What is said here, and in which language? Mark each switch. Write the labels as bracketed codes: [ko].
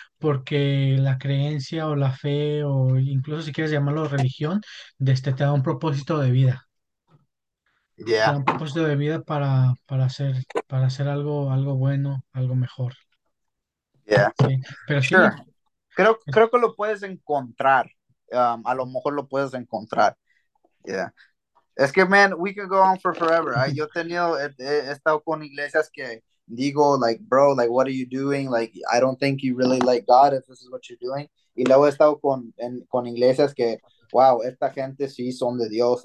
[es] Porque la creencia o la fe, o incluso si quieres llamarlo religión, te da un propósito de vida. Te da un propósito de vida para hacer algo bueno, algo mejor. Sí, pero sí. [en] Sure. [es] Creo que lo puedes encontrar. A lo mejor lo puedes encontrar. Es que, [en] man, we could go on for forever. [es] Yo he estado con iglesias que digo, [en] like, bro, like, what are you doing? Like, I don't think you really like God if this is what you're doing. [es] Y luego he estado con iglesias que, [en] wow, [es] esta gente sí son de Dios.